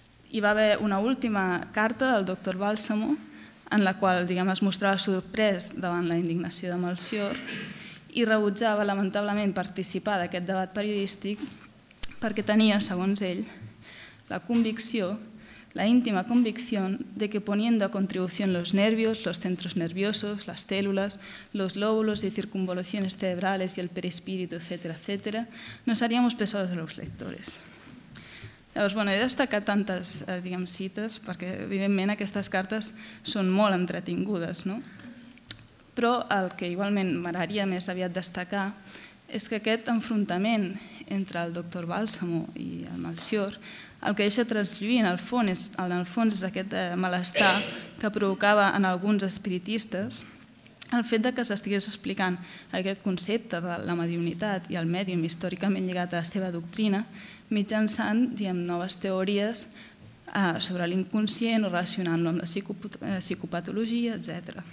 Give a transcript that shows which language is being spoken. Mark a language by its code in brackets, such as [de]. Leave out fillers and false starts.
[ca] Hi va haver una última carta del doctor Bálsamo, en la qual, diguem, es mostrava sorprès davant la indignació de Melcior i rebutjava lamentablement participar d'aquest debat periodístic perquè tenia, segons ell, la convicció, [es] la íntima convicción de que poniendo a contribución los nervios, los centros nerviosos, las células, los lóbulos y circunvoluciones cerebrales y el perispíritu, etcétera, etcétera, nos haríamos pesados a los lectores. [ca] Llavors, bueno, he destacat tantes, diguem, cites, perquè evidentment aquestes cartes són molt entretingudes, no? Però el que igualment m'agradaria més aviat destacar és que aquest enfrontament entre el doctor Bálsamo i el Melcior el que deixa traslluir en el fons és aquest malestar que provocava en alguns espiritistes el fet de que s'estigués explicant aquest concepte de la mediunitat i el mèdium històricament lligat a la seva doctrina mitjançant, diguem, noves teories sobre l'inconscient o relacionant-lo amb la psicopatologia, etc.